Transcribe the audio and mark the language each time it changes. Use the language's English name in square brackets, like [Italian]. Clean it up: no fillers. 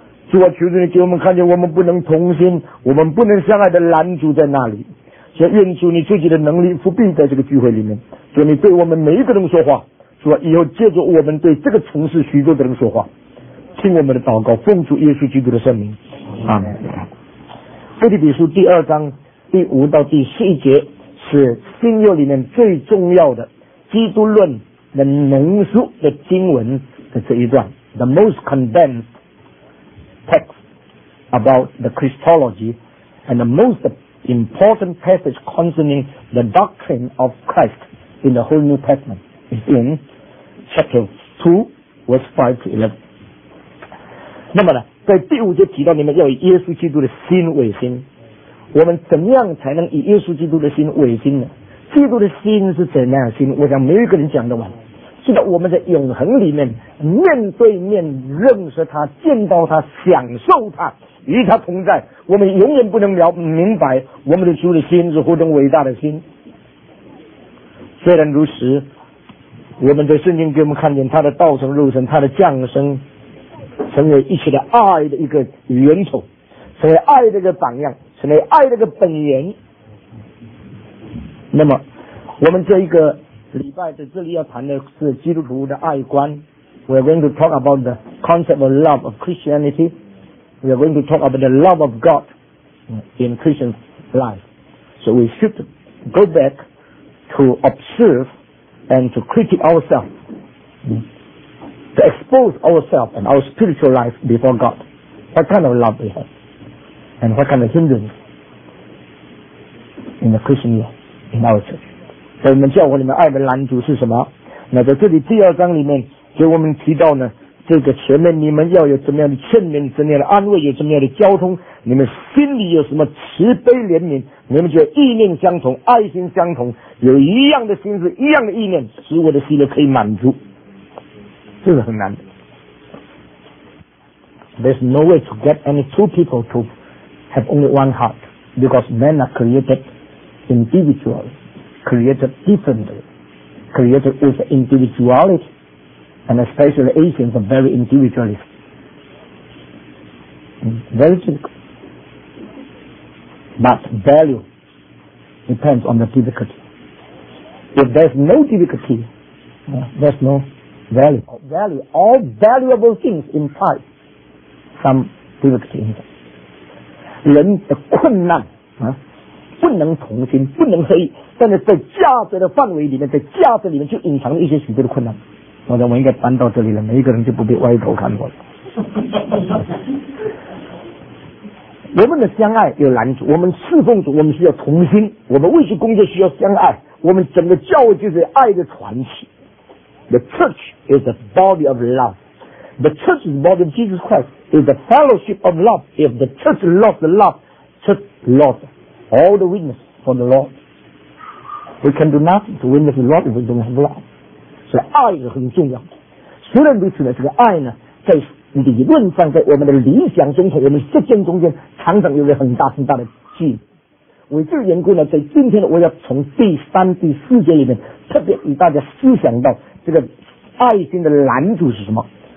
[Chinese] 主啊，求主你给我们看见我们不能同心，我们不能相爱的拦阻在那里。所以愿主你自己的能力伏庇在这个聚会里面，主你对我们每一个人说话，主啊，以后借着我们对这个城市许多的人说话，听我们的祷告，奉主耶稣基督的圣名，阿们。腓立比书第二章第五到第十一节是新约里面最重要的基督论的浓缩的经文的这一段 [English] The most condensed text about the Christology and the most important passage concerning the doctrine of Christ in the whole New Testament is in chapter 2 verse 5 to 11。 [Chinese] 那么呢，在第五节提到你们要以耶稣基督的心为心，我们怎样才能以耶稣基督的心为心呢？基督的心是怎样的心？我想没有一个人讲得完。现在我们在永恒里面面对面认识他，见到他，享受他，与他同在，我们永远不能明白我们的主的心是何等伟大的心。虽然如此，我们在圣经给我们看见他的道成肉身，他的降生，成为一切的爱的一个源头，成为爱的一个榜样，成为爱的一个本源。那么我们这一个礼拜在这里要谈的是基督徒的爱观。 [English] We are going to talk about the concept of love of Christianity. We are going to talk about the love of God in Christian life. So we should go back to observe and to critique ourselves, to expose ourselves and our spiritual life before God. What kind of love we have and what kind of hindrance in the Christian life, in our church. [Chinese] 所以我们教会里面爱的拦阻是什么？那在这里第二章里面给我们提到呢，这个前面你们要有怎么样的劝勉，怎么样的安慰，有怎么样的交通，你们心里有什么慈悲怜悯，你们就意念相同，爱心相同，有一样的心思，一样的意念，使我的心里可以满足。这是很难的。 [English] There's no way to get any two people to have only one heart, because men are created individualcreated differently, created with individuality, and especially Asians are very individualist. Very difficult. But value depends on the difficulty. If there's no difficulty, there's no value. Value, all valuable things imply some difficulty in them. [Chinese] 人的困难不能同心，不能合一，但是在价值的范围里面，在价值里面就隐藏了一些许多的困难。我想我应该搬到这里了，每一个人就不必歪头看我了。我们的相爱有拦阻，我们侍奉主，我们需要同心，我们为主工作需要相爱，我们整个教会就是爱的传奇。 [English] The church is the body of love. The church is the body of Jesus Christ. It's the fellowship of love. If the church lost the love, church lost all the witness for the LordWe can do nothing to witness the Lord if we don't have love. [Chinese] 所以爱是很重要的。虽然如此呢，这个爱呢，在理论上，在我们的理想中和我们实践中间，常常有着很大很大的距离。为这个缘故呢，在今天呢，我要从第三、第四节里面，特别与大家思想到这个爱心的拦阻是什么。